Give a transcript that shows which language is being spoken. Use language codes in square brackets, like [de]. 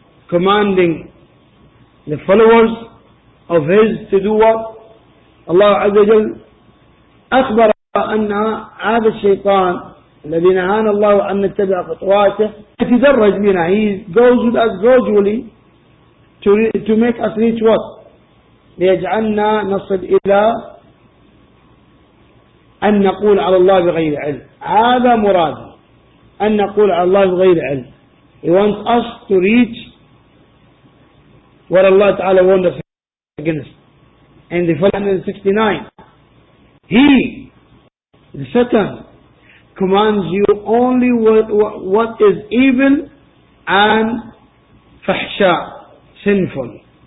[en] Commanding the followers of his to do what? [ar] Allah عز وجل أخبر أن هذا الشيطان الذي نهانا الله أن نتبع خطواته يتدرج بنا. [en] He goes with us gradually to make us reach what? [ar] ليجعلنا نصل إلى أن نقول على الله بغير علم. هذا مراد أن نقول على الله بغير علم. [en] He wants us to reach what Allah Ta'ala warned us against. In the 469, He, the Satan, commands you only what is evil and fahsha, sinful.